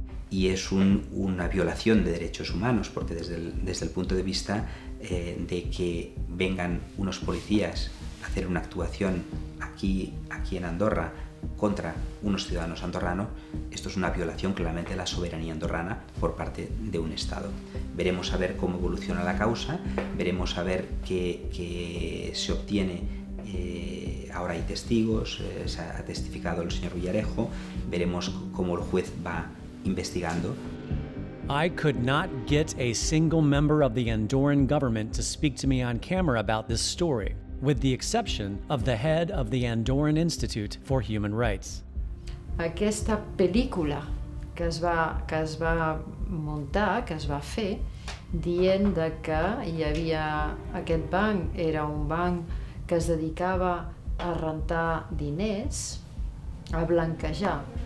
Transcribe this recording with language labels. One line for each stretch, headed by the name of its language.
Spanish: Y es una violación de derechos humanos, porque desde el punto de vista de que vengan unos policías a hacer una actuación aquí en Andorra contra unos ciudadanos andorranos, esto es una violación claramente de la soberanía andorrana por parte de un Estado. Veremos a ver cómo evoluciona la causa, veremos a ver qué se obtiene. Ahora hay testigos, se ha testificado el señor Villarejo, veremos cómo el juez va investigando.
English: I could not get a single member of the Andorran government to speak to me on camera about this story, with the exception of the head of the Andorran Institute for Human Rights.
Catalan: Aquesta pel·lícula que es va muntar, que es va fer, dient de que hi havia aquest banc, era un banc que es dedicava a rentar diners, a blanquejar.